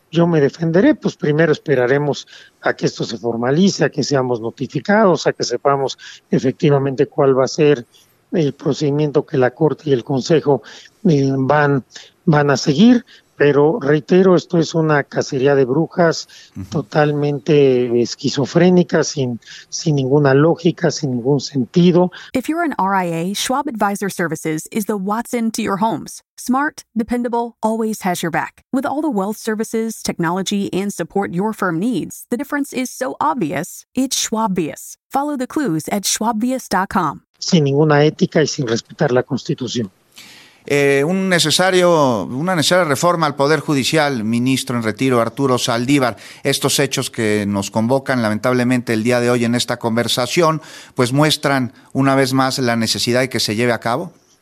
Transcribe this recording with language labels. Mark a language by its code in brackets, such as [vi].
[es] Yo me defenderé, pues primero esperaremos a que esto se formalice, a que seamos notificados, a que sepamos efectivamente cuál va a ser el procedimiento que la Corte y el Consejo van a seguir, pero reitero, esto es una cacería de brujas totalmente esquizofrénica, sin ninguna lógica, sin ningún sentido. [en] If you're an RIA, Schwab Advisor Services is the Watson to your homes. Smart, dependable, always has your back. With all the wealth services, technology, and support your firm needs, the difference is so obvious, it's Schwabvious. Follow the clues at schwabvious.com. [es] Sin ninguna ética y sin respetar la Constitución. Una necesaria reforma al Poder Judicial, ministro en retiro Arturo Saldívar. Estos hechos que nos convocan lamentablemente el día de hoy en esta conversación, pues muestran una vez más la necesidad de que se lleve a cabo.